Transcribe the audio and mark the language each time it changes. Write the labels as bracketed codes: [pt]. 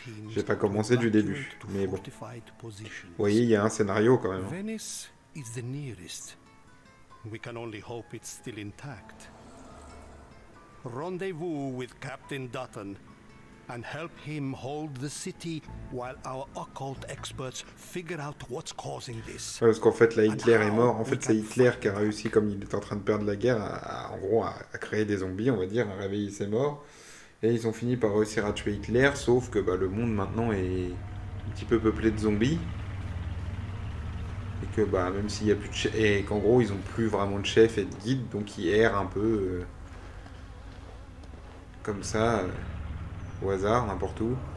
[fr] J'ai pas commencé du début, mais bon. Vous voyez, il y a un scénario quand même. [en] Venice is the nearest. We can only hope it's still intact. Rendez-vous with Captain Dutton. And help him hold the city while our occult experts figure out what's causing this. [fr] Ouais, parce qu'en fait, là, Hitler est mort. En fait, c'est Hitler qui a réussi, comme il est en train de perdre la guerre, à créer des zombies, on va dire, à réveiller ses morts. Et ils ont fini par réussir à tuer Hitler, sauf que bah, le monde maintenant est un petit peu peuplé de zombies. Et que bah, même s'il y a plus de chef, et qu'en gros, ils ont plus vraiment de chef et de guide, donc ils errent un peu comme ça. Au hasard, n'importe où.